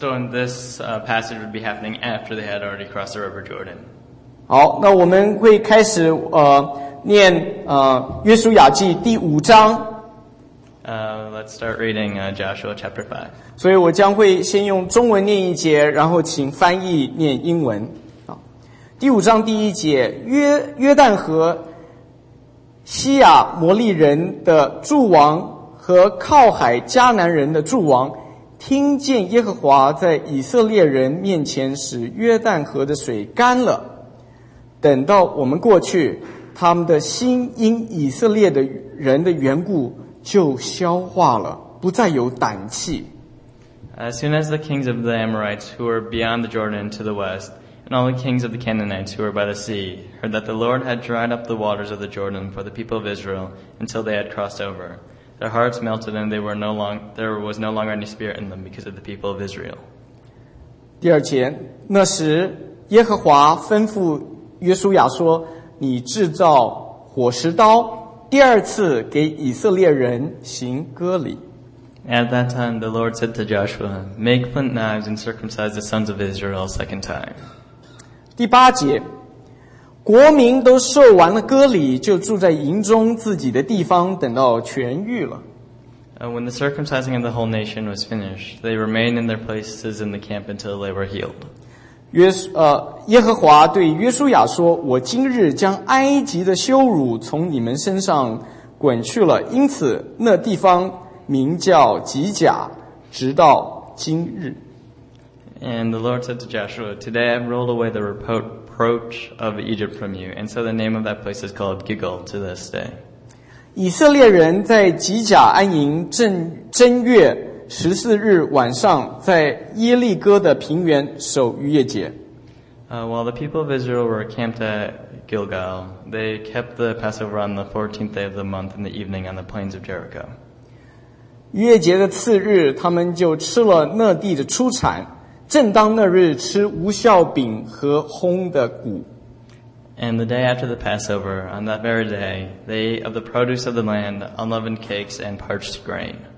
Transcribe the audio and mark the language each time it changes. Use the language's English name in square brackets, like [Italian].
[English] This passage would be happening after they had already crossed the river Jordan. [Chinese] 好，那我们会开始念约书亚记第五章。 [English] Let's start reading Joshua chapter 5. [Chinese] 所以我将会先用中文念一节，然后请翻译念英文。第五章第一节，约旦河西亚摩利人的诸王和靠海迦南人的诸王听见耶和华在以色列人面前使约旦河的水干了，等到我们过去，他们的心因以色列的人的缘故就消化了，不再有胆气。 [English] As soon as the kings of the Amorites who were beyond the Jordan to the west, and all the kings of the Canaanites who were by the sea, heard that the Lord had dried up the waters of the Jordan for the people of Israel until they had crossed over, their hearts melted and there was no longer any spirit in them because of the people of Israel. [Chinese] 第二节，那时耶和华吩咐约书亚说，你制造火石刀，第二次给以色列人行割礼。 [English] At that time, the Lord said to Joshua, make flint knives and circumcise the sons of Israel a second time. [Chinese] 第八节，国民都受完了割礼，就住在营中自己的地方，等到痊愈了。 [English] When the circumcising of the whole nation was finished, they remained in their places in the camp until they were healed. [Chinese] 耶和华对约书亚说，我今日将埃及的羞辱从你们身上滚去了，因此那地方名叫吉甲，直到今日。 [English] And the Lord said to Joshua, today I've rolled away the reproach of Egypt from you, and so the name of that place is called Gilgal to this day. [Chinese] 以色列人在吉甲安营，正月十四日晚上在耶利哥的平原守逾越节。 [English] While the people of Israel were camped at Gilgal, they kept the Passover on the 14th day of the month in the evening on the plains of Jericho. [Chinese] 逾越节的次日，他们就吃了那地的出产，正当那日吃无酵饼和烘的谷。 [English] And the day after the Passover, on that very day, they ate of the produce of the land, unleavened cakes and parched grain.